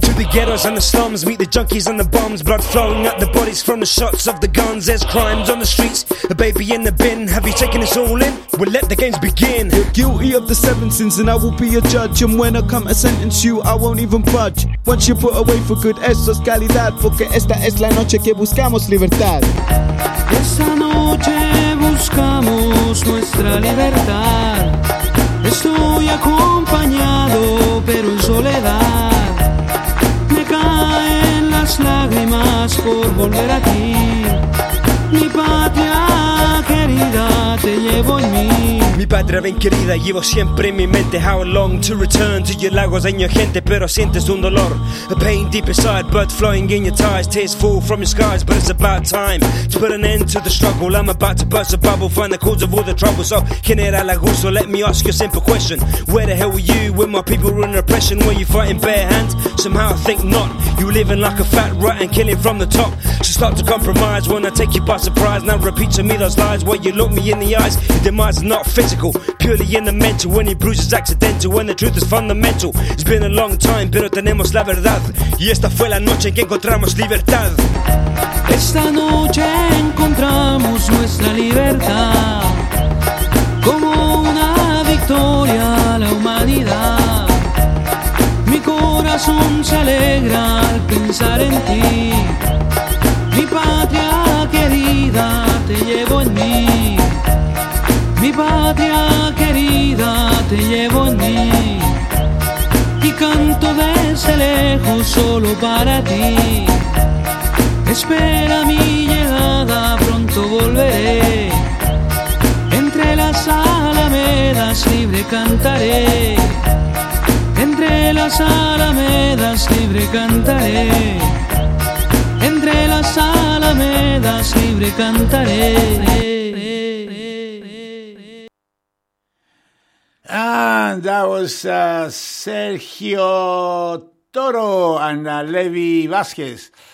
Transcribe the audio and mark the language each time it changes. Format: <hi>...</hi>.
<en>To the ghettos and the slums, meet the junkies and the bums. Blood flowing out the bodies from the shots of the guns. There's crimes on the streets, a baby in the bin. Have you taken us all in? We'll let the games begin. You're guilty of the seven sins and I will be your judge. And when I come to sentence you, I won't even budge. Once you put away for good,</en> <es>eso es calidad. Porque esta es la noche que buscamos libertad. Esta noche buscamos nuestra libertad. Estoy acompañado, pero en soledad. Me caen las lágrimas por volver a ti. Mi patria querida, te llevo en mí. Mi padre bien querida, llevo siempre en mi mente.</es> <en>How long to return to your lagos and your gente.</en> <es>Pero sientes un dolor,</es> <en>a pain deep inside. Blood flowing in your ties, tears fall from your skies. But it's about time to put an end to the struggle. I'm about to burst a bubble, find the cause of all the troubles. So, General Augusto, let me ask you a simple question. Where the hell were you when my people were in oppression? Were you fighting bare hand? Somehow I think not. You living like a fat rat and killing from the top. So start to compromise when I take you by surprise. Now repeat to me those lies where you look me in the eyes. Your demise is not physical, purely in the mental. When your bruise is accidental, when the truth is fundamental. It's been a long time,</en> <es>pero tenemos la verdad. Y esta fue la noche en que encontramos libertad. Esta noche encontramos nuestra libertad. Como una victoria a la humanidad. Mi corazón se alegra al pensar en ti. Mi patria querida te llevo en mí. Mi patria querida te llevo en mí. Y canto desde lejos solo para ti. Espera mi llegada, pronto volveré. Entre las alamedas libre cantaré. Entre las alamedas libre cantaré. Entre las alamedas libre cantaré.</es> <en>And that was Sergio Toro and Levi Vasquez.</en>